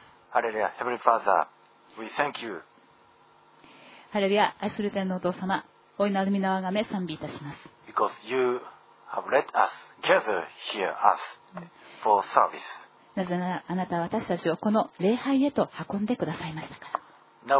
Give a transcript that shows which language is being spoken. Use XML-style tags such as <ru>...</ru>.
<en>ハレルヤ、ヘブンリーファーザー、ウィーサンキュー。</en> <ja>ハレルヤ、愛する天のお父様、お祈りみなわがめ賛美いたします。</ja> <en>Because you have let us gather here us for service.</en> <ja>なぜならあなたは私たちをこの礼拝へと運んでくださいましたから。</ja>